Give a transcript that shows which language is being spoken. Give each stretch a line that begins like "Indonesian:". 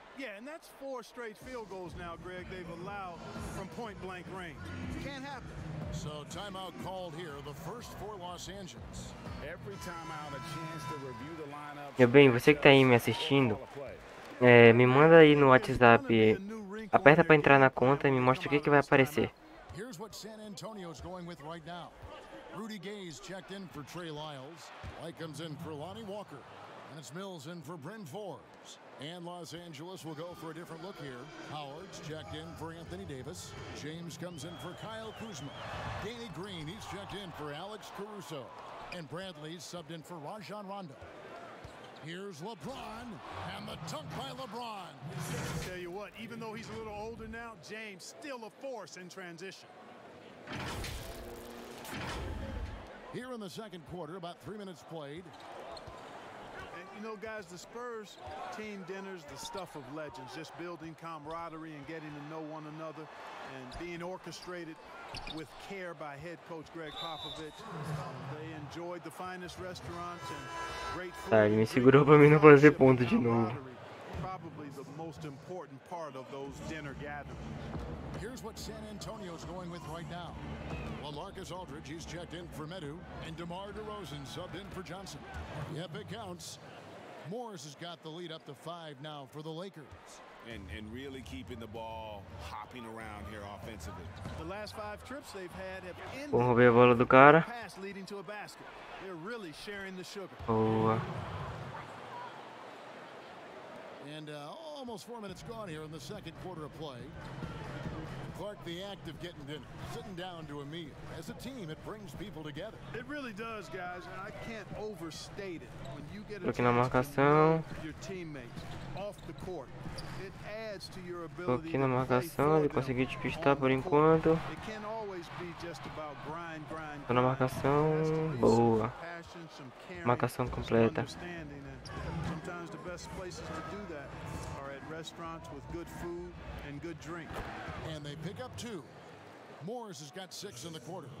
English: Yeah, and that's four straight field goals now, Greg, they've allowed from point blank range. Can't happen. So timeout called here, the first for Los Angeles. Every timeout a chance to review the lineup.
Portuguese: Meu bem, você que tá aí me assistindo, me manda aí no WhatsApp, aperta para entrar na conta e me mostra o que vai aparecer.
English: Here's what San Antonio's going with right now. Rudy Gaze checked in for Trey Lyles, Likens in for Lonnie Walker. And it's Mills in for Bryn Forbes. And Los Angeles will go for a different look here. Howard's checked in for Anthony Davis. James comes in for Kyle Kuzma. Danny Green, he's checked in for Alex Caruso. And Bradley's subbed in for Rajon Rondo. Here's LeBron, and the dunk by LeBron. I'll tell you what, even though he's a little older now, James still a force in transition. Here in the second quarter, about 3 minutes played. You know, guys, the Spurs team dinners, the stuff of legends, just building camaraderie and getting to know one another and being orchestrated with care by head coach Greg Popovich. They enjoyed the finest restaurants and great food.
Portuguese: Tá, ele me segurou pra mim não fazer ponto de novo.
English: Probably the most important part of those dinner gatherings. Here's what San Antonio's going with right now. LaMarcus Aldridge, he's checked in for Medu, and DeMar DeRozan subbed in for Johnson. Yep, it counts. Morris has got the lead up to five now for the Lakers. And really keeping the ball hopping around here offensively. The last five trips they've had have ended.
Portuguese: Vou roubar a bola do cara.
English: Pass leading to a basket. They're really sharing the sugar.
Portuguese: Boa.
English: And almost 4 minutes gone here in the second quarter of play. Clark, the act of getting dinner, sitting down to a meal. As a team, it brings people together. It really does, guys, and I can't overstate it. When you get a chance to meet your teammates off the court, it adds to your ability.
Portuguese: Tô aqui na marcação, ele conseguiu te pistar por enquanto.
English: It can't always be just about grind, grind.
Portuguese: Tô na marcação, boa. Marcação completa.
English: Sometimes the best places to do that are at restaurants with good food and good drink. And they pick up two. Morris has got six in the quarter.